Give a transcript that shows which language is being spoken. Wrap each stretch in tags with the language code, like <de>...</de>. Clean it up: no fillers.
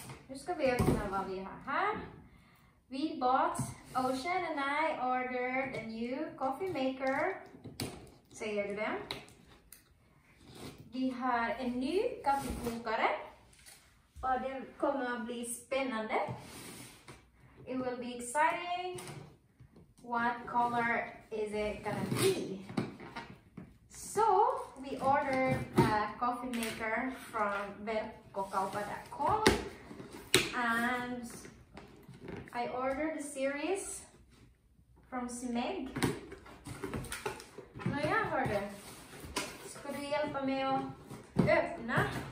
<sv>Nu ska vi öppna vad vi har här.</sv> <en>We bought, Ocean and I ordered a new coffee maker.</en> <sv>Säger du det? Vi har en ny kaffekokare. Och det kommer att bli spännande.</sv> <en>It will be exciting. What color is it gonna be? So, we ordered a coffee maker from verkkokauppa.com. And I ordered a series from Smeg.</en> <sv>Nå ja, hör du. Ska du hjälpa mig att öppna?</sv>